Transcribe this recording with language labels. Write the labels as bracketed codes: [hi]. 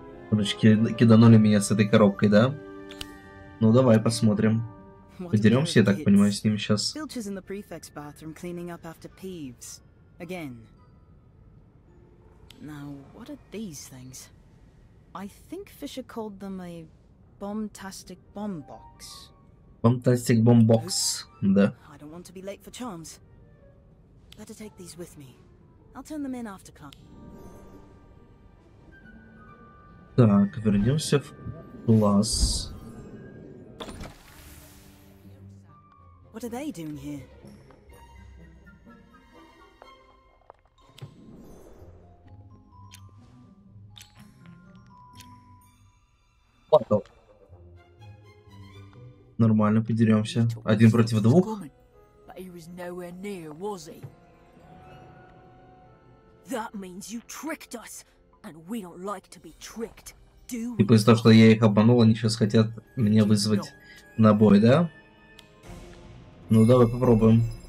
[ru] Ручки киданули меня с этой коробкой, да? Ну давай посмотрим. Подеремся, я так понимаю, с ним сейчас. [en] Филч is in the prefect's bathroom cleaning up after Peeves. Again. Now, what are these things? I think Fisher called them a bombastic bomb box. Bombastic bomb box, да. I don't want to be late for charms. Better take these with me. I'll turn them in after class. [ru] Так, вернемся в класс. [en] What are they doing here? [ru] Потом. Нормально, подеремся. Один против двух. [en] That means you tricked us, and we don't like to be tricked, do we? [ru] И после того, что я их обманул, они сейчас хотят меня вызвать на бой, да? Ну, давай попробуем.